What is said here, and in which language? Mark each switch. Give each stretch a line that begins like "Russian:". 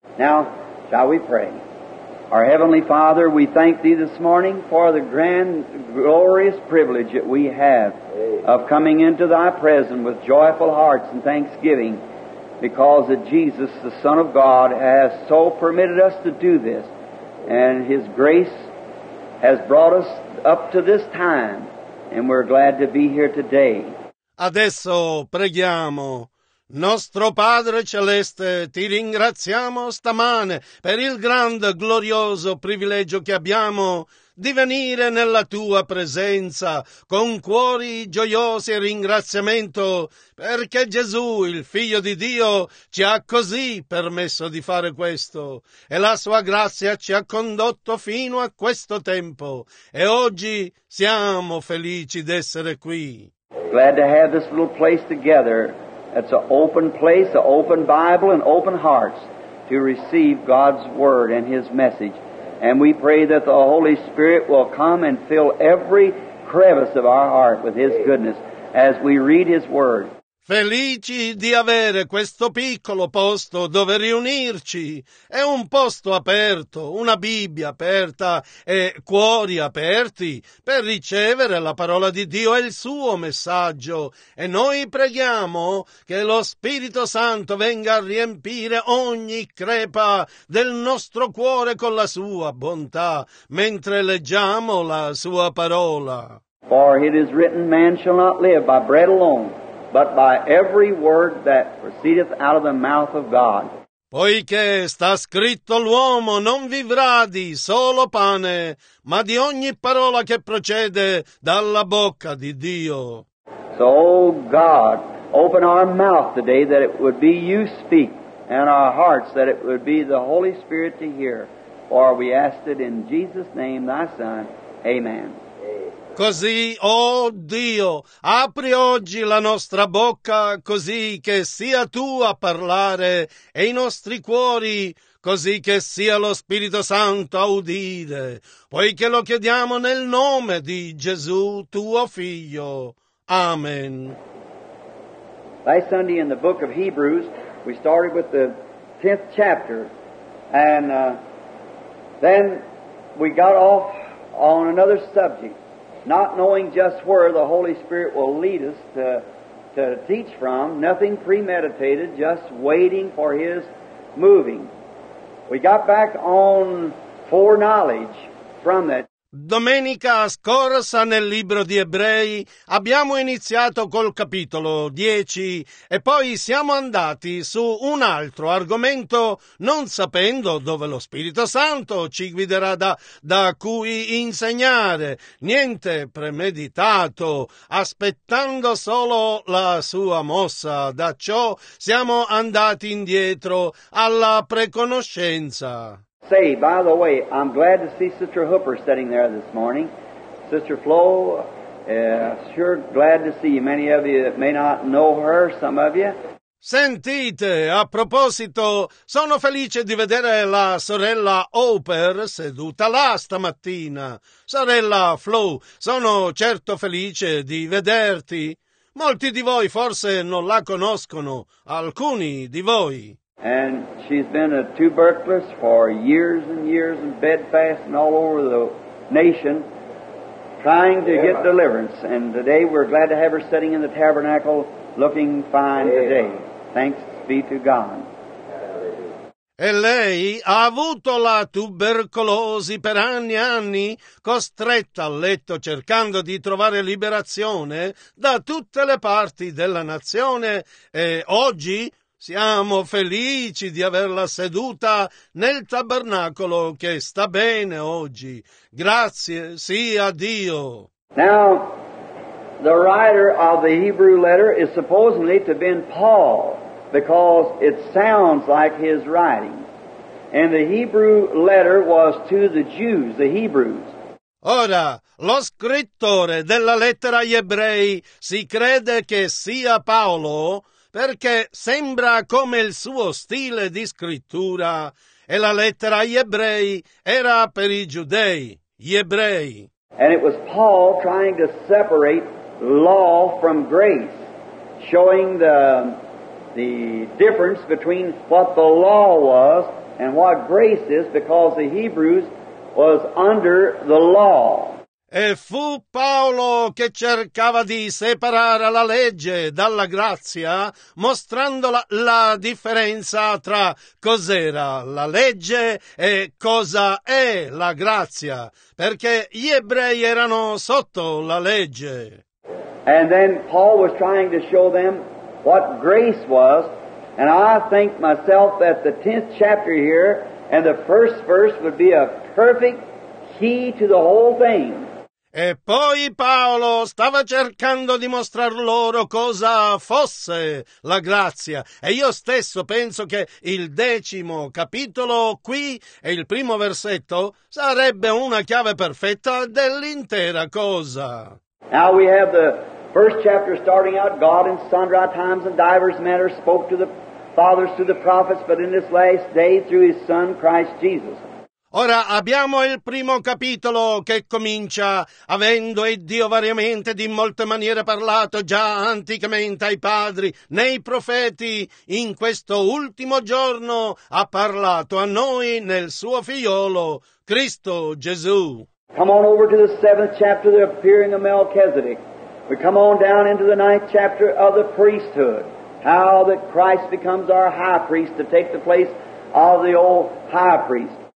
English: Now, shall we pray? Our Heavenly Father, we thank Thee this morning for the grand, glorious privilege that we have of coming into Thy presence with joyful hearts and thanksgiving because of Jesus, the Son of God, has so permitted us to do this. And His grace has brought us up to this time, and we're glad to be here today.
Italian: Adesso preghiamo. Nostro Padre Celeste, ti ringraziamo stamane per il grande, glorioso privilegio che abbiamo di venire nella Tua presenza con cuori gioiosi e ringraziamento perché Gesù, il Figlio di Dio, ci ha così permesso di fare questo e la Sua grazia ci ha condotto fino a questo tempo e oggi siamo felici d'essere qui.
English: Glad to have this little place together. It's an open place, an open Bible, and open hearts to receive God's Word and His message. And we pray that the Holy Spirit will come and fill every crevice of our heart with His goodness as we read His Word.
Italian: Felici di avere questo piccolo posto dove riunirci. È un posto aperto, una Bibbia aperta e cuori aperti per ricevere la parola di Dio e il suo messaggio. E noi preghiamo che lo Spirito Santo venga a riempire ogni crepa del nostro cuore con la sua bontà mentre leggiamo la sua parola.
English: For it is written, man shall not live by bread alone, but by every word that proceedeth out of the mouth of God.
Italian: Poiché sta scritto, l'uomo non vivrà di solo pane, ma di ogni parola che procede dalla bocca di Dio.
English: So, oh God, open our mouth today that it would be you speak and our hearts that it would be the Holy Spirit to hear. For we ask it in Jesus' name, thy Son. Amen.
Italian: Così, oh Dio, apri oggi la nostra bocca così che sia Tu a parlare e i nostri cuori così che sia lo Spirito Santo a udire, poiché lo chiediamo nel nome di Gesù, Tuo Figlio. Amen.
English: Last Sunday in the book of Hebrews, we started with the 10th chapter, and then we got off on another subject. Not knowing just where the Holy Spirit will lead us to teach from, nothing premeditated, just waiting for His moving. We got back on foreknowledge from that.
Italian: Domenica scorsa nel libro di Ebrei abbiamo iniziato col capitolo 10 e poi siamo andati su un altro argomento non sapendo dove lo Spirito Santo ci guiderà da cui insegnare, niente premeditato, aspettando solo la sua mossa. Da ciò siamo andati indietro alla preconoscenza.
English: Say, by the way, I'm glad to see Sister Hooper sitting there this morning. Sister Flo, sure glad to see you. Many of you that may not know her, some of you.
Italian: Sentite, a proposito, sono felice di vedere la sorella Hooper seduta là stamattina. Sorella Flo, sono certo felice di vederti. Molti di voi forse non la conoscono, alcuni di voi.
English: And she's been a tuberculist for years and years and bedfast and all over the nation trying to get deliverance. And today we're glad to have her sitting in the tabernacle looking fine today. Thanks be to God.
Italian: E lei ha avuto la tubercolosi per anni e anni, costretta a letto cercando di trovare liberazione da tutte le parti della nazione e oggi siamo felici di averla seduta nel tabernacolo che sta bene oggi. Grazie sia Dio.
English: Now, the writer of the Hebrew letter is supposedly to have been Paul, because it sounds like his writing. And the Hebrew letter was to the Jews, the Hebrews.
Italian: Ora, lo scrittore della lettera agli ebrei si crede che sia Paolo, perché sembra come il suo stile di scrittura, e la lettera agli ebrei era per i giudei, gli ebrei.
English: And it was Paul trying to separate law from grace, showing the difference between what the law was and what grace is, because the Hebrews was under the law.
Italian: E fu Paolo che cercava di separare la legge dalla grazia, mostrando la differenza tra cos'era la legge e cosa è la grazia, perché gli ebrei erano sotto la legge.
English: And then Paul was trying to show them what grace was, and I think myself that the 10th chapter here and the first verse would be a perfect key to the whole thing.
Italian: E poi Paolo stava cercando di mostrar loro cosa fosse la grazia. E io stesso penso che il decimo capitolo qui e il primo versetto sarebbe una chiave perfetta dell'intera cosa.
English: Now we have the first chapter starting out. God in sundry times and divers manners spoke to the fathers through the prophets, but in this last day through His Son Christ Jesus.
Italian: Ora abbiamo il primo capitolo che comincia avendo Iddio variamente di molte maniere parlato già anticamente ai padri, nei profeti, in questo ultimo giorno ha parlato a noi nel suo figliolo, Cristo Gesù.
English: Come on over to the seventh chapter of the appearing of Melchizedek. We come on down into the ninth chapter of the priesthood. How that Christ becomes our high priest to take the place of the old high priest.